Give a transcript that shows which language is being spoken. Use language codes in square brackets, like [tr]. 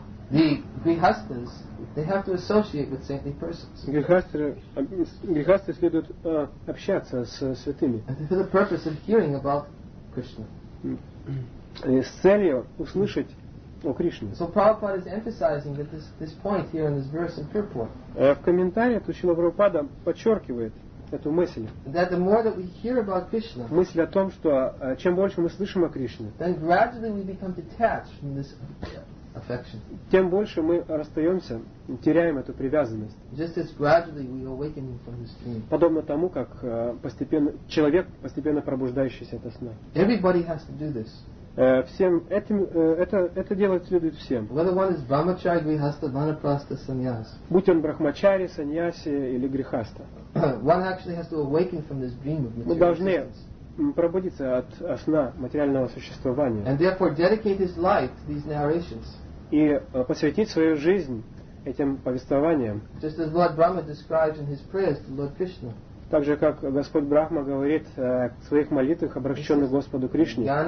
[en] the grihasthas, they have to associate with saintly persons. [ru] Грихастры следует общаться с святыми. [en] For the purpose of hearing about Krishna. [ru] С целью услышать о Кришне. [en] So Prabhupada is emphasizing that this point here in this verse in Purport. [ru] В комментарии Шрила Прабхупада подчеркивает эту мысль. [en] That the more that we hear about Krishna, [ru] мысль о том, что чем больше мы слышим о Кришне, [en] then gradually we become detached from this affection. [ru] Тем больше мы расстаемся, теряем эту привязанность. [en] Just as gradually we awaken from this dream. [ru] Подобно тому, как постепенно человек, постепенно пробуждающийся от сна. [en] Everybody has to do this. [ru] Всем этим, это делать следует всем. [en] Whether one is brahmachari, grihastha, vanaprastha, sannyas. [ru] Будь он брахмачари, саньяси или грехаста. [en] One actually has to awaken from this dream of material. [ru] Мы должны пробудиться от сна материального существования. [en] And therefore dedicate his life to these narrations. [ru] И посвятить свою жизнь этим повествованиям. [en] Just as Lord Brahma describes in his prayers to Lord Krishna. [ru] Так же, как Господь Брахма говорит в своих молитвах, обращенных Господу Кришне.